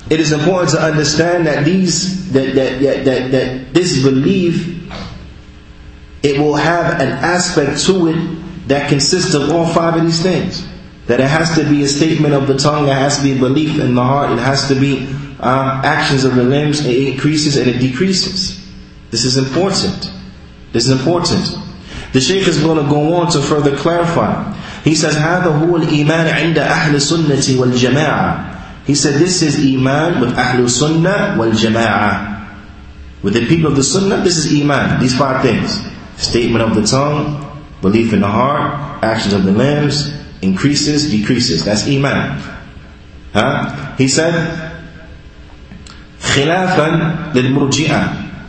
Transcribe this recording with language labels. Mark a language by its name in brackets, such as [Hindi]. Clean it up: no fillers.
[English] It is important to understand that these, that this belief, it will have an aspect to it that consists of all five of these things. That it has to be a statement of the tongue, it has to be a belief in the heart, it has to be actions of the limbs, it increases and it decreases. This is important. This is important. The Shaykh is going to go on to further clarify. He says, [Arabic] هذا هو الإيمان عند أهل السنة والجماعة. [English] He said, this is iman with Ahlul Sunnah wal Jama'ah. With the people of the Sunnah, this is iman. These five things. Statement of the tongue, belief in the heart, actions of the limbs, increases, decreases. That's iman. Huh? He said, [Arabic] خلافاً للمرجئة.